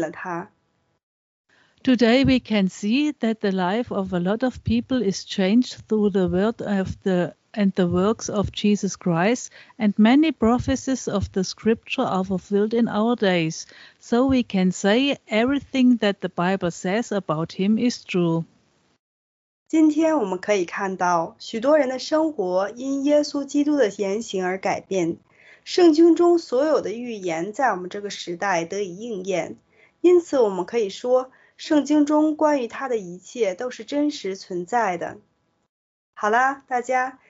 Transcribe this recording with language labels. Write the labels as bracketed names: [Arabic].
[Chinese] 约翰在耶稣面前做见证，耶稣证实了施洗者约翰的话都是真的。这时，很多人最终相信了他。 [English] Today we can see that the life of a lot of people is changed through the word of the and the works of Jesus Christ, and many prophecies of the scripture are fulfilled in our days. So we can say everything that the Bible says about him is true. [Chinese] 今天我们可以看到许多人的生活因耶稣基督的言行而改变，圣经中所有的预言在我们这个时代得以应验，因此我们可以说圣经中关于他的一切都是真实存在的。好了，大家。